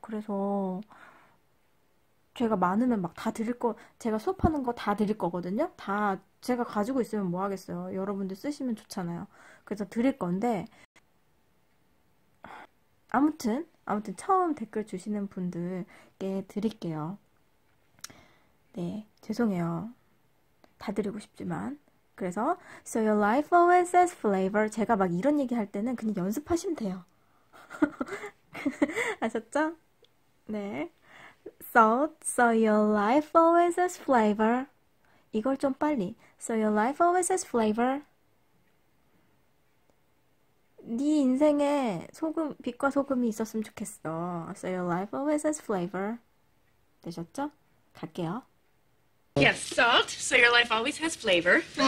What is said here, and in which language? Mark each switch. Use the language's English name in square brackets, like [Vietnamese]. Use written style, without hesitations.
[Korean] 그래서 제가 많으면 막다 드릴 거, 제가 수업하는 거다 드릴 거거든요. 다 제가 가지고 있으면 뭐 하겠어요. 여러분들 쓰시면 좋잖아요. 그래서 드릴 건데. 아무튼 처음 댓글 주시는 분들께 드릴게요. 네, 죄송해요. 다 드리고 싶지만. 그래서 [English] So your life always has flavor. [Korean] 제가 막 이런 얘기 할 때는 그냥 연습하시면 돼요. 아셨죠? 네. [English] So your life always has flavor. [Korean] 이걸 좀 빨리. [English] So your life always has flavor. [Korean] 네 인생에 소금, 빛과 소금이 있었으면 좋겠어. [English] So your life always has flavor. [Korean] 되셨죠? 갈게요. [English] Yes, salt. So your life always has flavor.